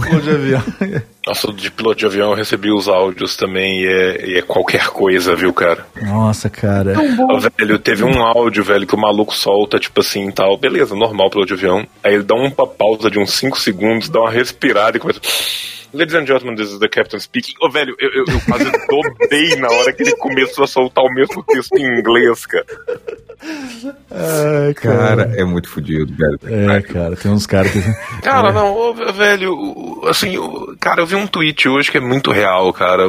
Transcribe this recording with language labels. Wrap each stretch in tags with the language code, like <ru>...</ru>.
<pt>Piloto de avião. Nossa, de piloto de avião eu recebi os áudios também e é qualquer coisa, viu, cara? Nossa, cara. Ah, velho, teve um áudio, velho, que o maluco solta, tipo assim, tal. Beleza, normal, piloto de avião. Aí ele dá uma pausa de uns 5 segundos, dá uma respirada e começa...</pt> <en>Ladies and gentlemen, this is the captain speaking.</en> <pt>Oh, velho, eu quase dobrei na hora que ele começou a soltar o mesmo texto em inglês, cara. Ai, cara, é muito fodido, velho. É, cara, tem uns caras que... Cara, não, velho, assim, cara, eu vi um tweet hoje que é muito real, cara.</pt>